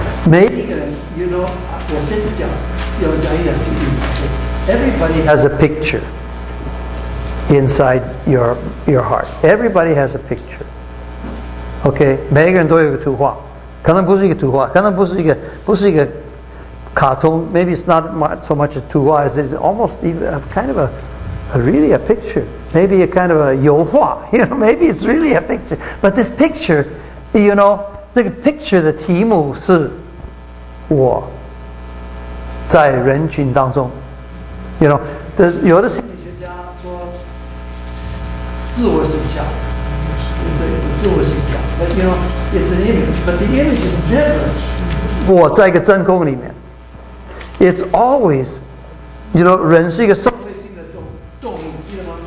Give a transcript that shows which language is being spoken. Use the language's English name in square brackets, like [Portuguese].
[Chinese] 每一个人 ， [English] you know， [Chinese] 我先讲，要讲一点具体。 [English] Everybody has a picture inside your heart. Everybody has a picture. [Chinese] OK， 每一个人都有一个图画，可能不是一个图画，可能不是一个卡通。 [English] Maybe it's not so much a [Chinese] 图画 [English] as it's almost even a kind of a really a picture. Maybe a kind of a [Chinese] 油画， [English] you know. Maybe it's really a picture. But this picture， you know， [Chinese] 这个 picture 的题目是。我在人群当中 [English] you know, [Chinese] 有的心理学家说自我形象，这也是自我形象 you know, [English] it's an image, but the image is never [Chinese] 我在一个真空里面 [English] it's always you know, [Chinese] 人是一个社会性的动物，记得吗？